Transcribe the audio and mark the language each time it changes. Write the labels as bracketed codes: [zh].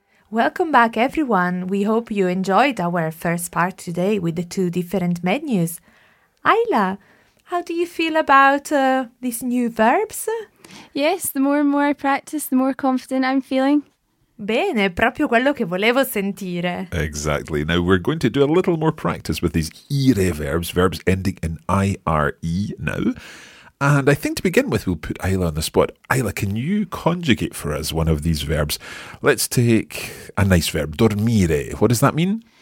[en] Welcome back, everyone. We hope you enjoyed our first part today with the two different menus. Ayla, how do you feel about these new verbs? Yes, the more and more I practice, the more confident I'm feeling. [it] Bene, proprio quello che volevo sentire. [en] Exactly. Now we're going to do a little more practice with these ire verbs, verbs ending in I-R-E now. And I think to begin with, we'll put Ayla on the spot. Ayla, can you conjugate for us one of these verbs? Let's take a nice verb, dormire. What does that mean?